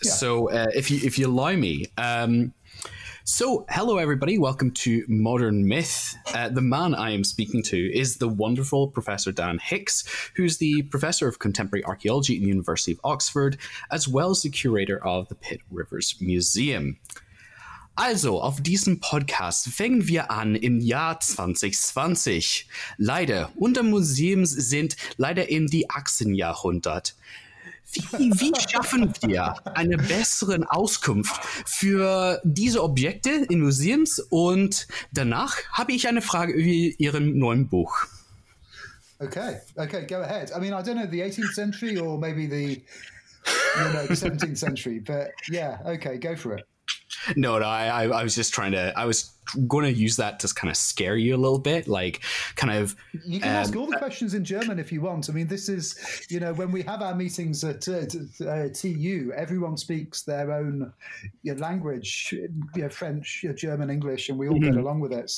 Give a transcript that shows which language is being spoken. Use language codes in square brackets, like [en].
[en] Yeah. So if you allow me. So hello, everybody. Welcome to Modern Myth. The man I am speaking to is the wonderful Professor Dan Hicks, who's the Professor of Contemporary Archaeology in the University of Oxford, as well as the curator of the Pitt Rivers Museum. [de] Also, auf diesem Podcast fangen wir an im Jahr 2020. Leider, unser Museum sind leider in die Achsenjahrhundert. Wie schaffen wir eine bessere Auskunft für diese Objekte in Museums? Und danach habe ich eine Frage über Ihrem neuen Buch. [en] Okay, go ahead. I mean, I don't know, the 18th century or maybe the, you know, the 17th century, but yeah, okay, go for it. No, I was going to use that to kind of scare you a little bit, like kind of. You can ask all the questions in German if you want. I mean, this is, you know, when we have our meetings at TU, everyone speaks their own language, you know, French, German, English, and we all get along with it.